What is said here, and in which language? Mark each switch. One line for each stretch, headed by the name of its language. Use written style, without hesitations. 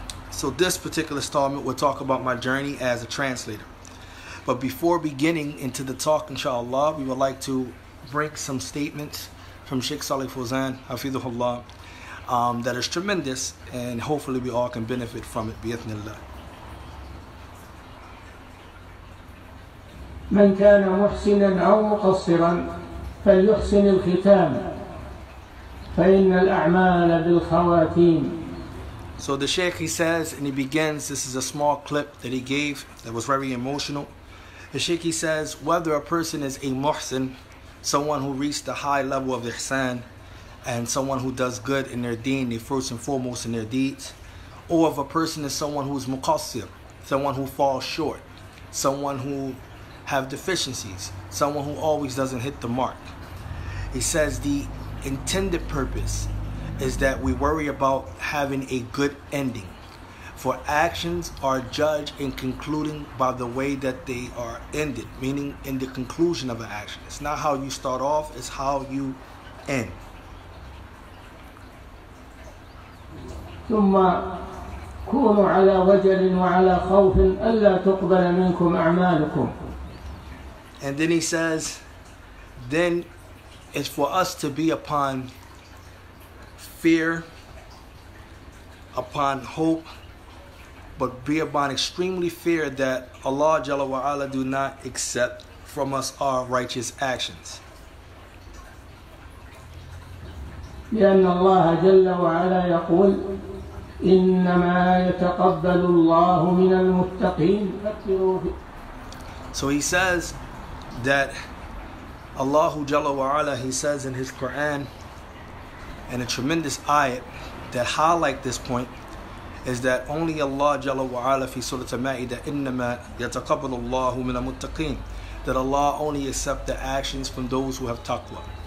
English: So this particular installment will talk about my journey as a translator. But before beginning into the talk, inshallah, we would like to bring some statements from Sheikh Saleh Fawzan, hafidhahullah, that is tremendous, and hopefully we all can benefit from it, bi'ithnillah.
Arabic: من كان محسناً أو مقصراً فليحسن الختام فإن الأعمال بالخواتيم.
English: So the Sheikh, he says, and he begins, this is a small clip that he gave that was very emotional. The Sheikh, he says, whether a person is a muhsin, someone who reached the high level of ihsan, and someone who does good in their deen, the first and foremost in their deeds, or if a person is someone who is muqassir, someone who falls short, someone who have deficiencies, someone who always doesn't hit the mark. He says the intended purpose is that we worry about having a good ending, for actions are judged in concluding by the way that they are ended, meaning in the conclusion of an action. It's not how you start off, it's how you end.
Arabic: ثم كونوا على وجل وعلى خوف ألا تقبل منكم أعمالكم.
English: And then he says, then it's for us to be upon fear, upon hope, but be upon extremely fear that Allah Jalla wa'ala do not accept from us our righteous actions.
Arabic: لأن الله جل وعلا يقول إنما يتقبل الله من المتقين.
English: So he says that Allahu Jalla wa'ala, he says in his Quran, and a tremendous ayat that highlight this point, is that only Allah Jalla wa'ala, fi Surah Al-Ma'idah,
Arabic: innama yataqabbalu Allahu min al-muttaqin,
English: that Allah only accepts the actions from those who have taqwa.